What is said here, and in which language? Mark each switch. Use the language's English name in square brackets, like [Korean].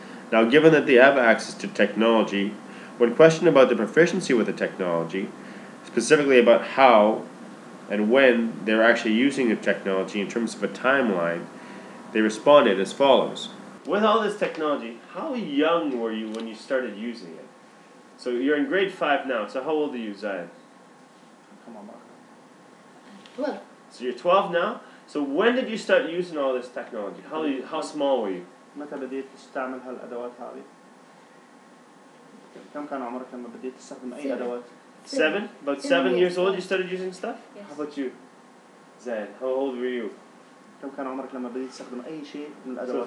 [English] Now, given that they have access to technology, when questioned about the proficiency with the technology, specifically about how and when they're actually using the technology in terms of a timeline, they responded as follows. With all this technology, how young were you when you started using it? So you're in grade 5 now, so how old are you, Zion? Come on, Mark. 12. So you're 12 now? So when did you start using all this technology? How small were you? [Arabic] متى بديت تستعمل هالأدوات هذه؟ كم كان عمرك لما بديت تستخدم أي أدوات؟ [English] Seven. About seven years old, you started using stuff. Yes. How about you, Zayed? How old were you? [Arabic] كم كان عمرك لما بديت تستخدم أي شيء من الأدوات؟